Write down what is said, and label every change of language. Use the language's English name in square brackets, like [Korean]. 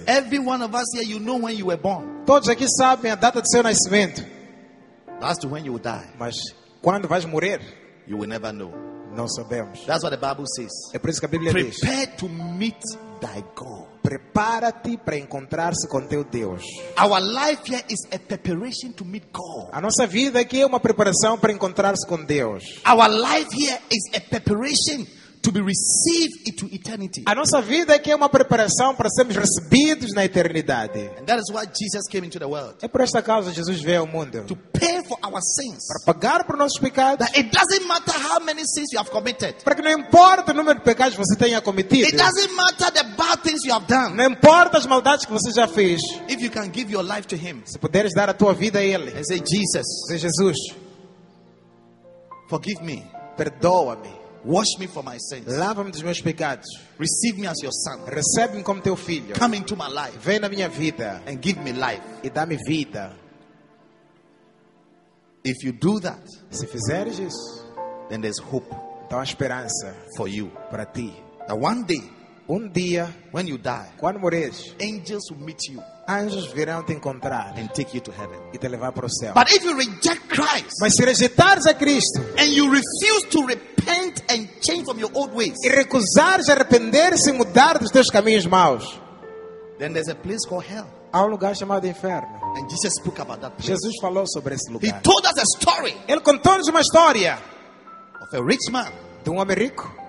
[English] Every one of us here, you know when you were born. [Portuguese] Todos aqui sabem a data de seu nascimento. [English] But as to when you will die. [Portuguese] Mas quando vais morrer. [English] You will never know. [Portuguese] Não sabemos. [English] That's what the Bible says. [Portuguese] É por isso que a Bíblia [English] prepare [Portuguese] diz. [English] Prepare to meet thy God. [Portuguese] Prepara-te para encontrar-se com teu Deus. [English] Our life here is a preparation to meet God. [Portuguese] A nossa vida aqui é uma preparação para encontrar-se com Deus. [English] Our life here is a preparation to be received into eternity. [Portuguese] A nossa vida aqui é uma preparação para sermos recebidos na eternidade. [English] And that is why Jesus came into the world. [Portuguese] É por esta causa que Jesus veio ao mundo. [English] To pay for our sins. [Portuguese] Para pagar por nossos pecados. [English] That it doesn't matter how many sins you have committed. [Portuguese] Para que não importa o número de pecados que você tenha cometido. [English] It doesn't matter the bad things you have done. [Portuguese] Não importa as maldades que você já fez. [English] If you can give your life to him. [Portuguese] Se puderes dar a tua vida a ele. [English] And say, Jesus. Say, Jesus. Forgive me. [Portuguese] Perdoa-me. [English] Wash me for my sins. [Portuguese] Lava-me dos meus pecados. [English] Receive me as your son. [Portuguese] Recebe-me como teu filho. [English] Come into my life. [Portuguese] Vem na minha vida. [English] And give me life. [Portuguese] E dá-me vida. [English] If you do that, [Portuguese] se fizeres isso, [English] then there's hope. [Portuguese] Então há esperança [English] for you, [Portuguese] para ti. [English] That one day, [Portuguese] um dia, [English] when you die, [Portuguese] quando morres, [English] angels will meet you. [Portuguese] Anjos virão te encontrar [English] and take you to heaven. [Portuguese] E te levar para o céu. [English] But if you reject Christ, [Portuguese] mas se rejeitares a Cristo, [English] and you refuse to repent and change from your old ways, [Portuguese] e recusares arrepender-se e mudar dos teus caminhos maus, [English] then there's a place called hell. [Portuguese] Há lugar chamado inferno. [English] And Jesus spoke about that place. [Portuguese] Jesus falou sobre esse lugar. [English] He told us a story. [Portuguese] Ele contou-nos uma história [English] of a rich man. [Portuguese] De um homem rico.